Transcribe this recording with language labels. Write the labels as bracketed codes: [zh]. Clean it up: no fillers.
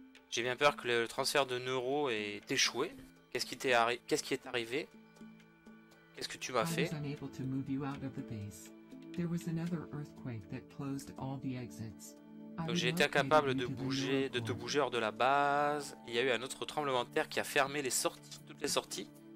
[fr] J'ai bien peur que le transfert de neuro ait échoué. Qu'est-ce qui est arrivé? Qu'est-ce que tu m'as fait? [en] Unable to move you out of the base. There was another earthquake that closed all the exits. [fr] Donc j'ai été incapable de bouger, de te bouger hors de la base. Il y a eu un autre tremblement de terre qui a fermé les sorties, toutes les sorties.